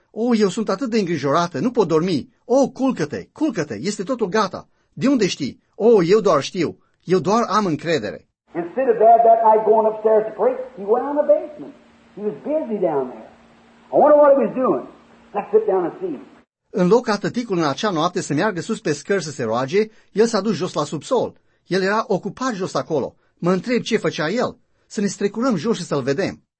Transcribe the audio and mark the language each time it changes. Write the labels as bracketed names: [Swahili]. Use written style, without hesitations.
[Romanian] Oh, eu sunt atât de îngrijorată, nu pot dormi. Oh, culcă-te, este totul gata. De unde știi? Oh, eu doar știu. Eu doar am încredere. [English] Instead of that night going upstairs to pray, he went on the basement. He was busy down there. I wonder what he was doing. Let's sit down and see. [Romanian] În loc ca tăticul în acea noapte să meargă sus pe scări să se roage, el s-a dus jos la subsol. El era ocupat jos acolo. Mă întreb ce făcea el. Să ne strecurăm jos și să-l vedem.